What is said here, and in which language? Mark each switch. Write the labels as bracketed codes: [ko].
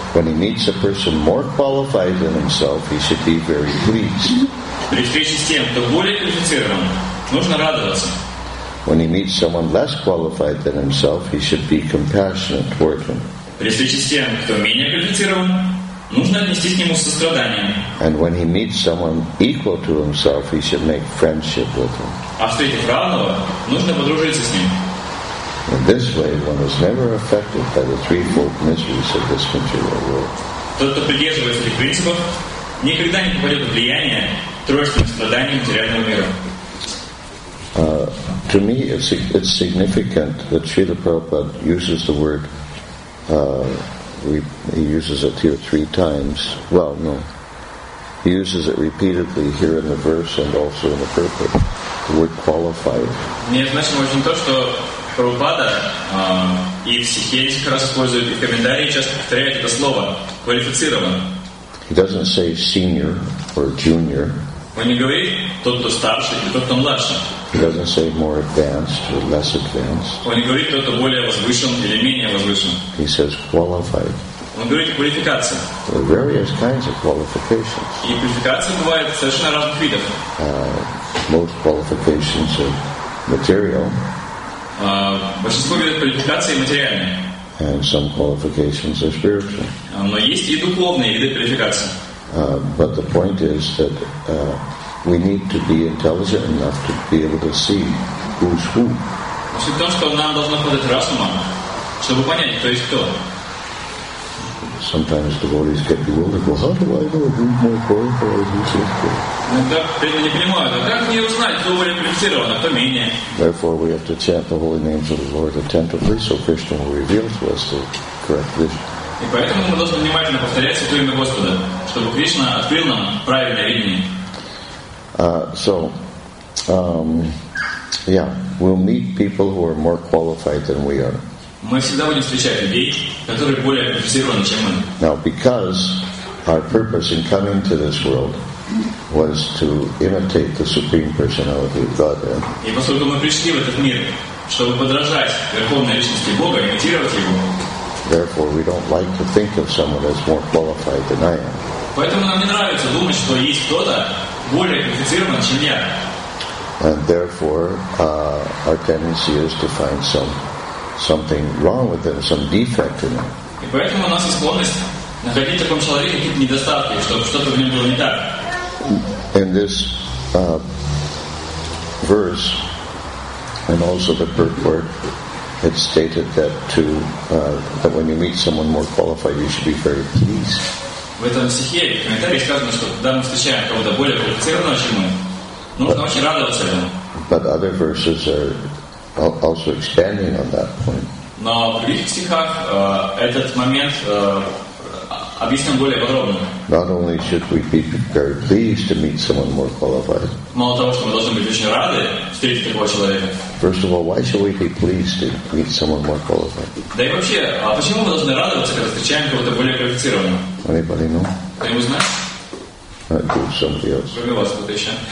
[en] When he meets a person more qualified than himself, he should be very pleased. [ru] При встрече с тем, кто более квалифицирован, нужно радоваться. [en] When he meets someone less qualified than himself, he should be compassionate toward him. [ru] При встрече с тем, кто менее квалифицирован, нужно отнестись к нему с состраданием. [en] And when he meets someone equal to himself, he should make friendship with him. [ru] А встретив равного, нужно подружиться с ним. [en] In this way, one is never affected by the threefold miseries of this material world. [ru] Тот, кто придерживается этих принципов, никогда не попадет в влияние тройственных страданий материального мира. [en] To me, it's significant that Srila Prabhupada uses the word. He uses it here three times. Well, no, he uses it repeatedly here in the verse and also in the purport. The word qualified. [ru] Мне значимо очень то, что Прабхупада и в стихе несколько раз использует, и в комментарии часто повторяет это слово «квалифицирован». [en] He doesn't say senior or junior. [ru] Он не говорит «тот, кто старше» или «тот, кто младше». [en] He doesn't say more advanced or less advanced. [ru] Он не говорит «тот, кто более возвышен» или «менее возвышен». [en] He says qualified. [ru] Он говорит «квалификация». [en] There are various kinds of qualifications. [ru] И квалификация бывает совершенно разных видов. [en] Most qualifications are material. [ru] Большинство видов квалификации материальные. [en] And some qualifications are spiritual. [ru] Но есть и духовные виды квалификации. [en] But the point is that we need to be intelligent enough to be able to see who's who. [ru] Суть в том, что нам должно хватать разума, чтобы понять, кто есть кто. [en] Sometimes devotees get bewildered. Well, how do I know who's more qualified? Who's less qualified? Therefore, we have to chant the holy names of the Lord attentively, so Krishna will reveal to us the correct vision. [ru] И поэтому мы должны внимательно повторять святое имя Господа, чтобы Кришна открыл нам правильное видение. [en] We'll meet people who are more qualified than we are. [ru] Мы всегда будем встречать людей, которые более квалифицированы, чем мы. [en] Now, because our purpose in coming to this world was to imitate the Supreme Personality of Godhead. [ru] И поскольку мы пришли в этот мир, чтобы подражать Верховной Личности Бога, имитировать Его, [en] therefore, we don't like to think of someone as more qualified than I am. [ru] Поэтому нам не нравится думать, что есть кто-то более квалифицирован, чем я. [en] And therefore, our tendency is to find something wrong with them, some defect in them. [ru] И поэтому у нас есть склонность находить в таком человеке какие-то недостатки, чтобы что-то в нем было не так. [en] In this verse, and also the purport, it's stated that that when you meet someone more qualified, you should be very pleased. [ru] В этом стихе, в комментарии сказано, что когда мы встречаем кого-то более квалифицированного, чем мы, нужно очень радоваться этому. [en] But other verses are also expanding on that point. [ru] Но в других стихах этот момент объяснен более подробно. [en] Not only should we be very pleased to meet someone more qualified. [ru] Мало того, что мы должны быть очень рады встретить такого человека. [en] First of all, why should we be pleased to meet someone more qualified? [ru] Да и вообще, а почему мы должны радоваться, когда встречаем кого-то более квалифицированного? [en] Anybody know? [ru] Кто-нибудь знает? [en] Good, somebody else. [ru] Кроме вас, кто-то еще?